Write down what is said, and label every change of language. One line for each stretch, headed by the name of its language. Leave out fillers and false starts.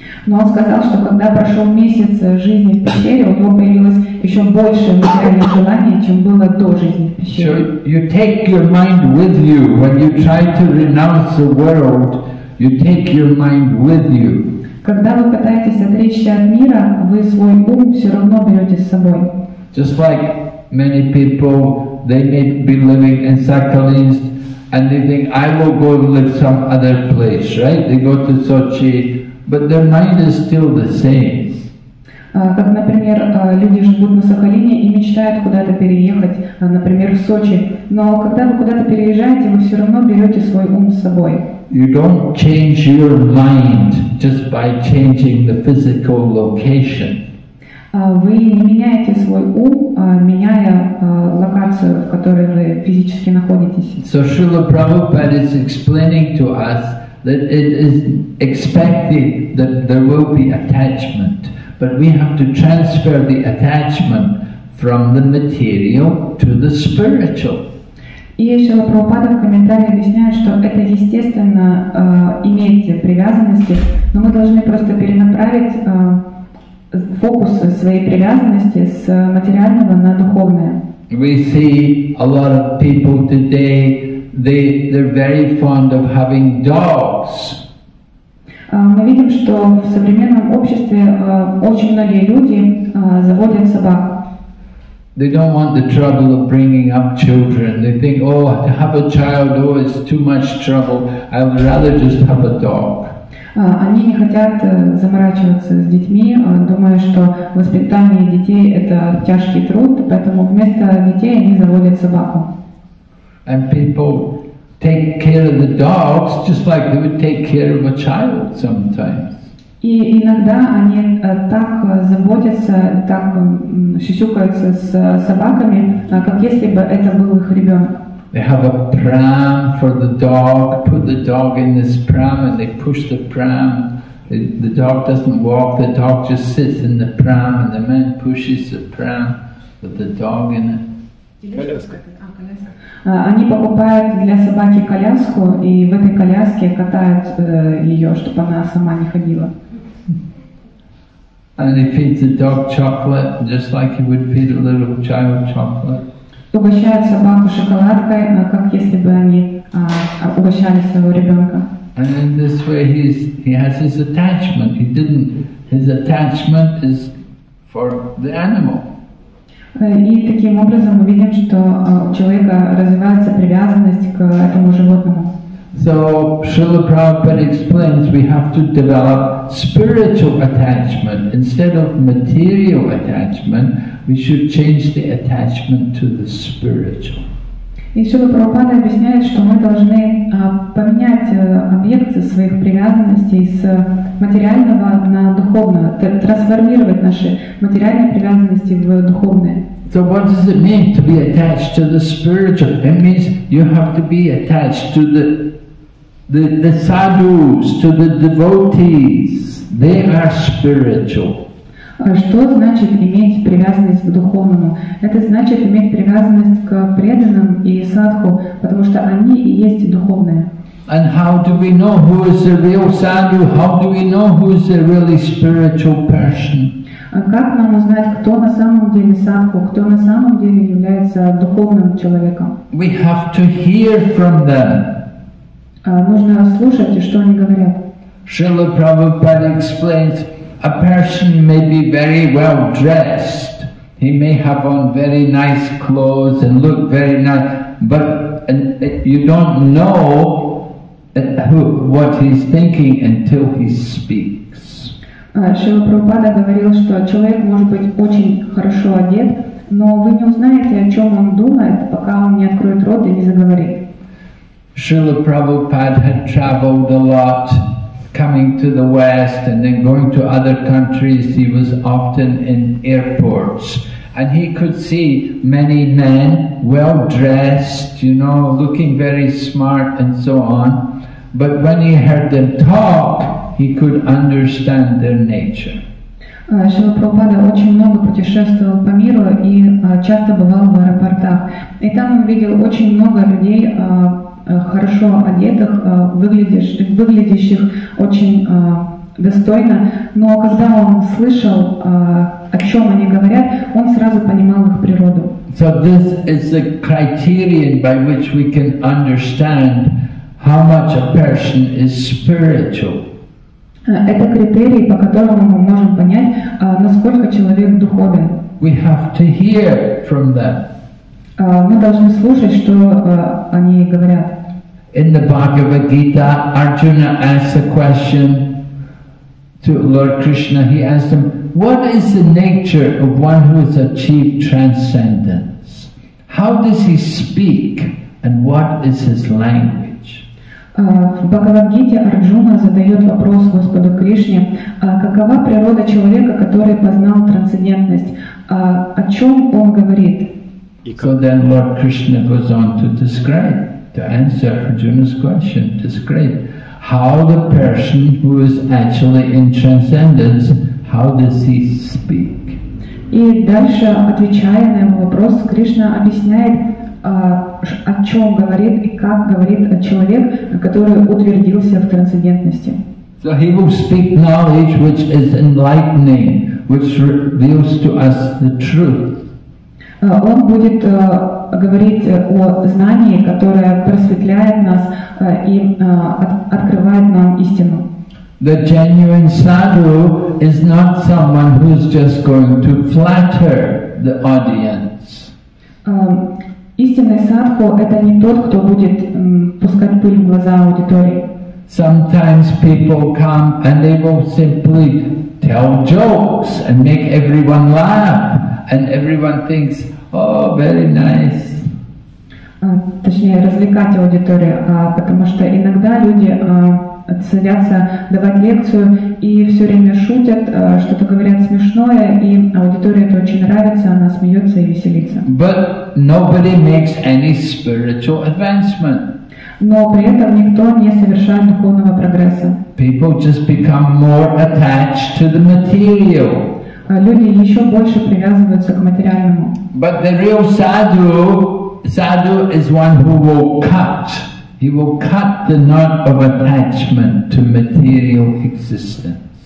Russian: Но он сказал, что когда прошел месяц жизни в пещере, у него появилось еще больше материальных желаний, чем было до жизни в пещере.
English: So you take your mind with you when you try to renounce the world. You take your mind with you.
Russian: Когда вы пытаетесь отречься от мира, вы свой ум все равно берете с собой.
English: Just like many people, they may be living in Sakhalinsk, and they think I will go live some other place, right? They go to Sochi, but their mind is still the same.
Russian: Как, например, люди живут на Сахалине и мечтают куда-то переехать, например, в Сочи. Но когда вы куда-то переезжаете, вы все равно берете свой ум с собой.
English: You don't change your mind just by changing the physical location.
Russian: Вы не меняете свой ум, меняя локацию, в которой вы физически находитесь.
English: So Srila Prabhupada is explaining to us that it is expected that there will be attachment, but we have to transfer the attachment from the material to the spiritual.
Russian: И Шрила Прабхупада в комментарии объясняет, что это естественно иметь привязанности, но мы должны просто перенаправить фокус своей привязанности с материального на духовное.
English: We see a lot of people today, they're very fond of having dogs.
Russian: Мы видим, что в современном обществе очень многие люди заводят собак.
English: They don't want the trouble of bringing up children. They think, oh, to have a child, oh, it's too much trouble. I would rather just have a dog.
Russian: Они не хотят заморачиваться с детьми, думая, что воспитание детей – это тяжкий труд, поэтому вместо детей они заводят собаку.
English: And people take care of the dogs just like they would take care of a child sometimes.
Russian: И иногда они так заботятся, так шишукаются с собаками, как если бы это был их ребенок.
English: They have a pram for the dog, put the dog in this pram and they push the pram. The dog doesn't walk, the dog just sits in the pram and the man pushes the pram with the dog in it.
Russian: Они покупают для собаки коляску и в этой коляске катают ее, чтобы она сама не ходила.
English: And he feeds the dog chocolate, just like he would feed a little child chocolate.
Russian: Угощает собаку шоколадкой, как если бы они угощали своего ребенка.
English: And in this way, he has his attachment. He didn't. His attachment is for the animal.
Russian: И таким образом мы видим, что у человека развивается привязанность к этому животному.
English: So Srila Prabhupada explains we have to develop spiritual attachment instead of material attachment. We should change the attachment to the spiritual.
Russian: И Шрила Прабхупада объясняет, что мы должны поменять объект своих привязанностей с материального на духовное, трансформировать наши материальные привязанности в духовные.
English: So what does it mean to be attached to the spiritual? It means you have to be attached to the sadhus, to the devotees. They are spiritual.
Russian: Что значит иметь привязанность к духовному? Это значит иметь привязанность к преданным и садху, потому что они и есть духовные.
English: And how do we know who is the real sadhu? How do we know who is the really spiritual person?
Russian: А как нам узнать, кто на самом деле садху, кто на самом деле является духовным человеком?
English: We have to hear from them.
Russian: Нужно слушать, что они говорят.
English: Srila Prabhupada explains, a person may be very well dressed, he may have on very nice clothes and look very nice, but you don't know what he's thinking until he speaks.
Russian: Шрила Прабхупада говорил, что человек может быть очень хорошо одет, но вы не узнаете, о чем он думает, пока он не откроет рот и не заговорит.
English: Шрила Прабхупада had traveled a lot, coming to the West and then going to other countries. He was often in airports. And he could see many men, well dressed, you know, looking very smart and so on. But when he heard them talk, he could understand their nature.
Russian: Шрила Прабхупада очень много путешествовал по миру и часто бывал в аэропортах. И там он видел очень много людей, хорошо одетых, выглядящих очень достойно. Но когда он слышал, о чем они говорят, он сразу понимал их природу.
English: So this is the criterion by which we can understand how much a person is spiritual.
Russian: Это критерий, по которому мы можем понять, насколько человек духовен.
English: We have to hear from them.
Russian: Мы должны слушать, что они говорят.
English: In the Bhagavad Gita, Arjuna asks a question to Lord Krishna. He asks him, what is the nature of one who has achieved transcendence? How does he speak and what is his language?
Russian: В Бхагавад Гите Арджуна задает вопрос Господу Кришне, какова природа человека, который познал трансцендентность? О чем он говорит?
English: So then Lord Krishna goes on to describe. To answer Arjuna's question, describe how the person who is actually in transcendence, how does he speak?
Russian: И дальше, отвечая на его вопрос, Кришна объясняет, о чем говорит и как говорит человек, который утвердился в трансцендентности.
English: So he will speak knowledge which is enlightening, which reveals to us the truth.
Russian: Он будет говорить о знании, которое просветляет нас и открывает нам истину.
English: The genuine sadhu is not someone who is just going to flatter the audience.
Russian: Истинный садху — это не тот, кто будет пускать пыль в глаза аудитории.
English: Sometimes people come and they will simply tell jokes and make everyone laugh, and everyone thinks, oh, very nice.
Russian: Точнее, развлекать аудиторию, потому что иногда люди садятся давать лекцию и все время шутят, что-то говорят смешное, и аудитории это очень нравится, она смеется и веселится.
English: But nobody makes any spiritual advancement.
Russian: Но при этом никто не совершает духовного прогресса.
English: People just become more attached to the material.
Russian: Люди еще больше привязываются к материальному.
English: But the real sadhu is one who will cut. He will cut the knot of attachment to material existence.